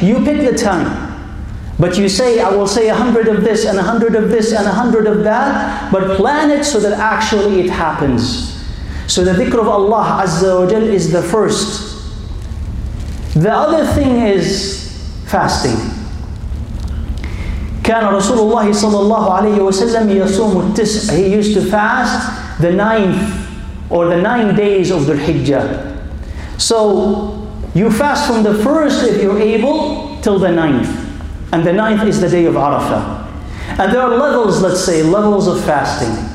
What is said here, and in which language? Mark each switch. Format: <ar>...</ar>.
<en>You pick the time. But you say, I will say 100 of this and 100 of this and 100 of that, but plan it so that actually it happens. So the dhikr of Allah Azza wa Jal is the first. The other thing is fasting.</en> <ar>كان رسول الله صلى الله عليه وسلم يصوم التسع.</ar> <en>He used to fast the 9th or the 9 days of Dhul Hijjah. So you fast from the first if you're able till the 9th. And the 9th is the day of Arafah. And there are levels, let's say, levels of fasting.</en>